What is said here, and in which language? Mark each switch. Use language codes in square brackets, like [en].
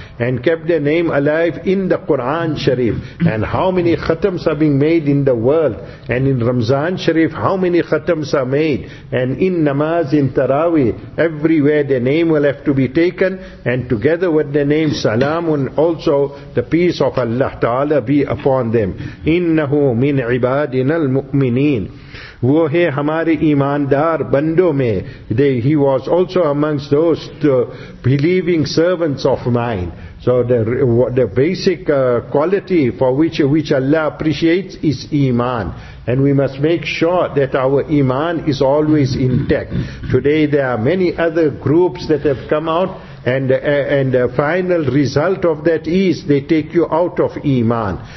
[en] And kept the name alive in the Quran Sharif. And how many khatams are being made in the world? And in Ramzan Sharif, how many khatams are made? And in namaz, in tarawih, everywhere the name will have to be taken. And together with the name Salamun, also the peace of Allah Ta'ala be upon them. [ar] Innahu min ibadina al-mu'mineen. [ur] وہ ہے ہمارے ایماندار بندوں میں. [en] He was also amongst those believing servants of mine. So the basic quality for which Allah appreciates is iman. And we must make sure that our iman is always intact. Today there are many other groups that have come out. And the final result of that is they take you out of iman.